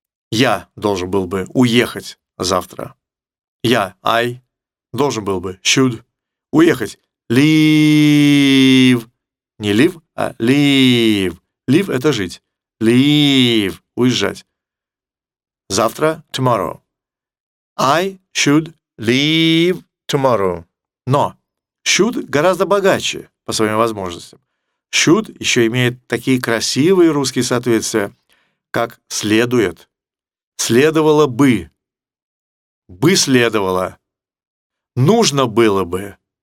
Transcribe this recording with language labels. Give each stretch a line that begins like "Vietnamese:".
Russian: Я должен был бы уехать завтра. Я, I, должен был бы, should, уехать, leave. Не leave, а leave. Leave — это жить. Leave — уезжать. Завтра, tomorrow.
English: I should leave tomorrow.
Russian: Но should гораздо богаче по своим возможностям. Should еще имеет такие красивые русские соответствия, как следует, следовало бы следовало, нужно было бы.